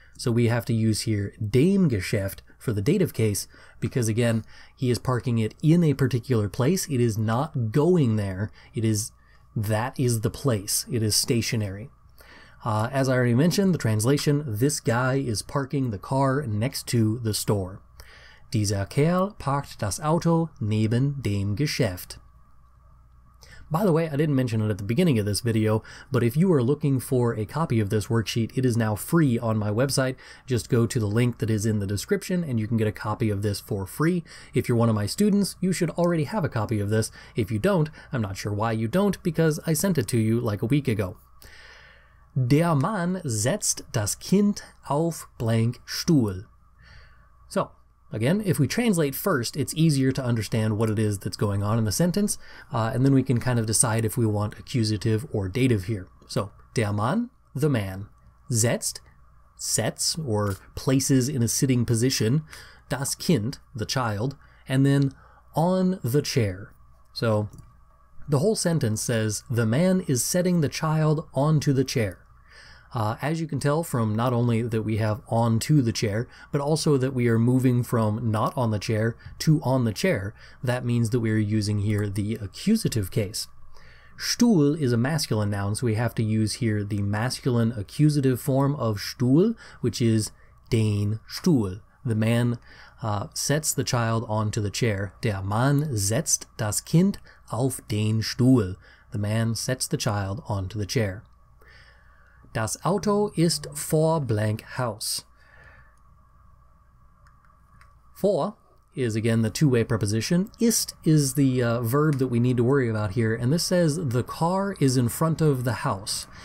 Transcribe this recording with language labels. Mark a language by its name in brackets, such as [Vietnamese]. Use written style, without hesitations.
[English] So we have to use here dem Geschäft for the dative case, because again, he is parking it in a particular place. It is not going there. That is the place. It is stationary. As I already mentioned, the translation, this guy is parking the car next to the store. [German] Dieser Kerl parkt das Auto neben dem Geschäft. [English] By the way, I didn't mention it at the beginning of this video, but if you are looking for a copy of this worksheet, it is now free on my website. Just go to the link that is in the description and you can get a copy of this for free. If you're one of my students, you should already have a copy of this. If you don't, I'm not sure why you don't, because I sent it to you like a week ago. [German] Der Mann setzt das Kind auf blank Stuhl. [English] So, again, if we translate first, it's easier to understand what it is that's going on in the sentence, and then we can kind of decide if we want accusative or dative here. So, der Mann, the man, setzt, sets, or places in a sitting position, das Kind, the child, and then on the chair. So, the whole sentence says, the man is setting the child onto the chair. As you can tell from not only that we have onto the chair, but also that we are moving from not on the chair to on the chair, that means that we are using here the accusative case. Stuhl is a masculine noun, so we have to use here the masculine accusative form of Stuhl, which is den Stuhl. The man sets the child onto the chair. [German] Der Mann setzt das Kind auf den Stuhl. [English] The man sets the child onto the chair. [German] Das Auto ist vor blank Haus. [English] Vor is again the two-way preposition. Ist is the verb that we need to worry about here, and this says the car is in front of the house.